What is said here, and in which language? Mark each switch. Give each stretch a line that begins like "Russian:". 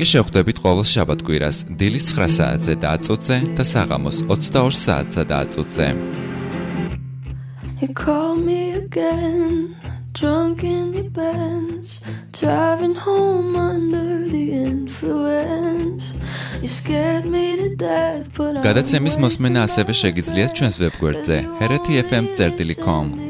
Georgian: კი შევხვდებით ყოველ შაბათ-კვირას, დილის 9 საათზე დაწუწე და საღამოს 22 საათზე დაწუწე.
English: You called me again, drunk in your Benz, driving home under the influence. You scared me to death, but I'm
Georgian: გადაცემის მოსმენა ასევე შეგიძლიათ ჩვენს ვებგვერდზე, hereti.fm.com.